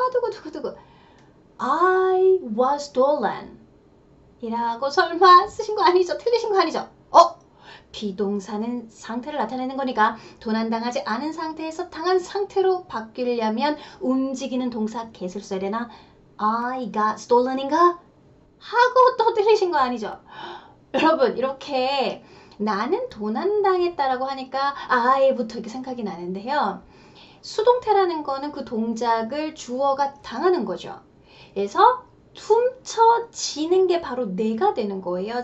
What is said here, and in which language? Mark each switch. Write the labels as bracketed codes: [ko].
[en] 두구두구두구. I was stolen. [ko] 이라고 설마 쓰신 거 아니죠? 틀리신 거 아니죠? 비동사는 상태를 나타내는 거니까 도난당하지 않은 상태에서 당한 상태로 바뀌려면 움직이는 동사 계속 써야 되나? [en] I got stolen인가? [ko] 하고 또 틀리신 거 아니죠? 여러분, 이렇게 나는 도난당했다라고 하니까 I부터 이렇게 생각이 나는데요. 수동태라는 거는 그 동작을 주어가 당하는 거죠. 그래서 훔쳐지는 게 바로 내가 되는 거예요.